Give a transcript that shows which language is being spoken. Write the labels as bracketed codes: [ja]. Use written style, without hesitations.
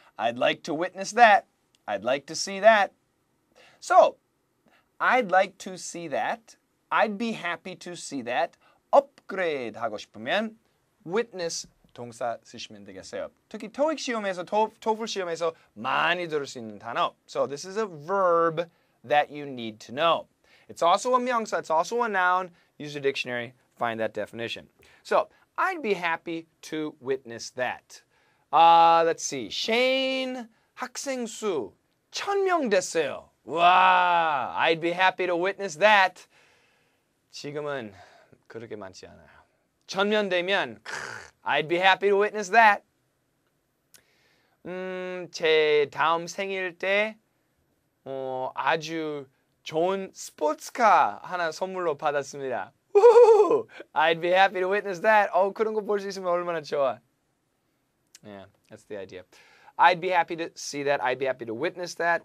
[en] I'd like to witness that. I'd like to see that. So, I'd like to see that. I'd be happy to see that. Upgrade [ko] 하고 싶으면 witness 동사 쓰시면 되겠어요. 특히 토익 시험에서, 토플 시험에서 많이 들을 수 있는 단어. [en] So this is a verb that you need to know. It's also a 명사. It's also a noun. Use a dictionary. Find that definition. So I'd be happy to witness that. Let's see. [ko] Shane 학생 수 1,000명 됐어요. [en] Wow, I'd be happy to witness that. [ko] 지금은 그렇게 많지 않아요. 천명 되면, [en] I'd be happy to witness that. [ko] 제 다음 생일 때 아주 좋은 스포츠카 하나 선물로 받았습니다. [en] Woo-hoo! I'd be happy to witness that. [ko] 그런 거 볼 수 있으면 얼마나 좋아. [en] Yeah, that's the idea. I'd be happy to see that. I'd be happy to witness that.